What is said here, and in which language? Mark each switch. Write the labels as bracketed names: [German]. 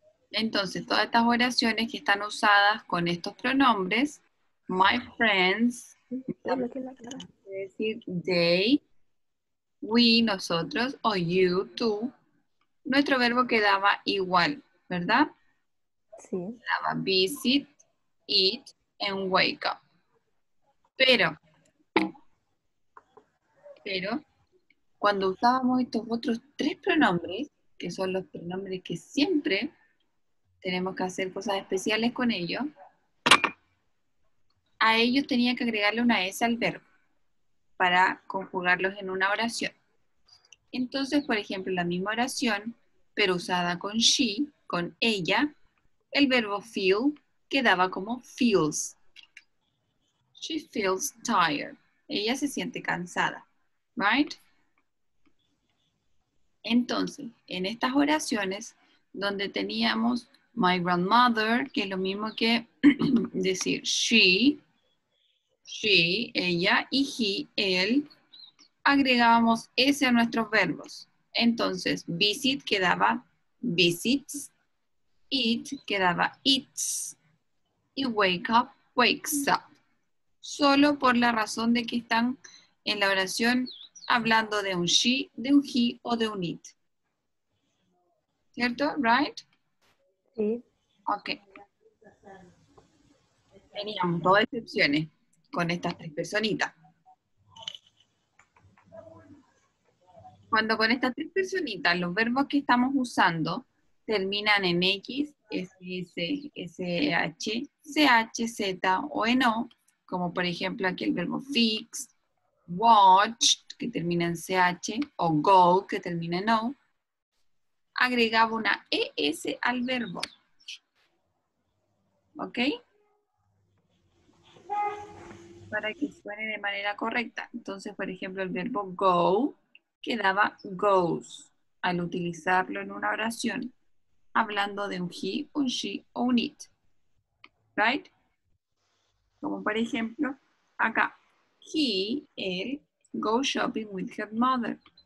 [Spanish] Entonces, todas estas oraciones que están usadas con estos pronombres, my friends, puede decir they, we, nosotros, o you, tú, nuestro verbo quedaba igual, ¿verdad? Sí. [English] Quedaba visit, eat, and wake up. [Spanish] Pero, cuando usábamos estos otros tres pronombres, que son los pronombres que siempre tenemos que hacer cosas especiales con ellos, a ellos tenía que agregarle una S al verbo para conjugarlos en una oración. Entonces, por ejemplo, la misma oración, pero usada con she, con ella, el verbo feel quedaba como feels. [English] She feels tired. [Spanish] Ella se siente cansada. [English] Right? [Spanish] Entonces, en estas oraciones donde teníamos my grandmother, que es lo mismo que decir she, ella, y he, él, agregábamos S a nuestros verbos. Entonces, visit quedaba visits, eat quedaba eats, y wake up, wakes up. Solo por la razón de que están en la oración hablando de un she, de un he o de un it. ¿Cierto? Right? Sí. Ok. Teníamos dos excepciones con estas tres personitas. Cuando con estas tres personitas los verbos que estamos usando terminan en X, S, S, H, CH, Z o en O, como por ejemplo aquí el verbo fix, watch, que termina en CH, o go, que termina en O, agregaba una ES al verbo. ¿Ok? Para que suene de manera correcta. Entonces, por ejemplo, el verbo go quedaba goes al utilizarlo en una oración hablando de un he, un she o un it. ¿Right? Como por ejemplo, acá. [English] He, él, go shopping with her mother.